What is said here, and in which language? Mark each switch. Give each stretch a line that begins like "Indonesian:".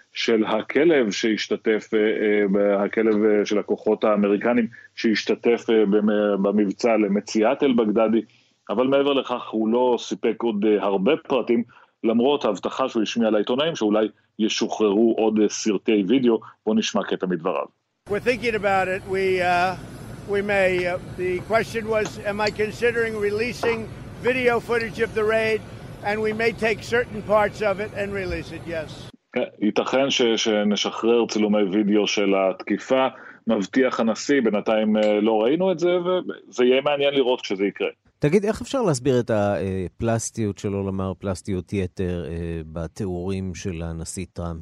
Hebrew: של הכלב שהשתתף, הכלב של הכוחות האמריקנים שהשתתף במבצע למציאת אל-בגדדי, אבל מעבר לכך הוא לא סיפק עוד הרבה פרטים, למרות ההבטחה שהוא השמיע לעיתונאים שאולי ישוחררו עוד סרטי וידאו. בוא נשמע קטע מדבריו.
English: We're thinking about it, we may, the question was, am I considering releasing video footage of the raid, and we may take certain parts of it and release it, yes.
Hebrew: ייתכן שנשחרר צילומי וידאו של התקיפה, מבטיח הנשיא, בינתיים לא ראינו את זה, וזה יהיה מעניין לראות כשזה יקרה. תגיד, איך אפשר להסביר את הפלסטיות שלו, למר פלסטיות יתר, בתיאורים של הנשיא טראמפ?